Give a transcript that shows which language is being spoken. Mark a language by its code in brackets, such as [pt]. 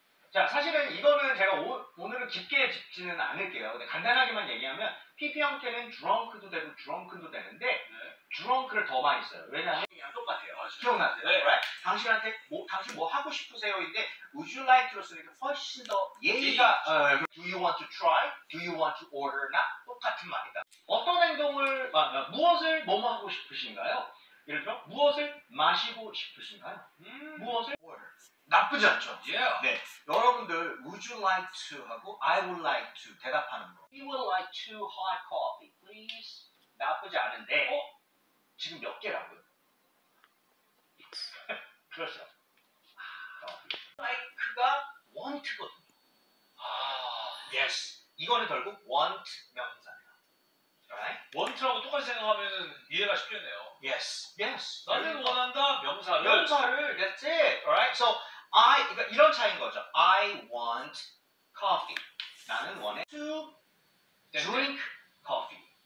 [ko] 자, 사실은 이거는 제가 오늘은 깊게 짚지는 않을게요. 근데 간단하게만 얘기하면 PP 형태는 drunk도 되고 drunken도 되는데 네. drunk를 더 많이 써요. 왜냐하면 그냥 똑같아요. 기억나세요? 네. Alright. 당신한테 뭐 당신 뭐 하고 싶으세요? 인데 would you like로 쓰니까 훨씬 더 예의가 [en] do you want to try? Do you want to order? [ko] 나 똑같은 말이다. 어떤 행동을 무엇을 뭐뭐 하고 싶으신가요? 예를 들어 무엇을 마시고 싶으신가요? 무엇을 [en] order. [ko] 나쁘지 않죠? [en] Yeah. [ko] 네. 여러분들 [en] would you like to [ko] 하고 [en] I would like to [ko] 대답하는 거. [en] We would like two hot coffee, please. [ko] 나쁘지 않은데 어? 지금 몇 개라고요? 그렇죠. Like가 want거든요. 아, [en] yes. [ko] 이거는 결국 want 명사예요. [en] Right? [ko] Want라고 똑같이 생각하면 이해가 쉽겠네요. [en] Yes. Yes. [ko] 나는 원한다 명사를. 명사를. [en] That's it. Alright. [ko] So I 그러니까 이런 차이인 거죠. [en] I want coffee. [ko] 나는 원해 [en] to drink coffee.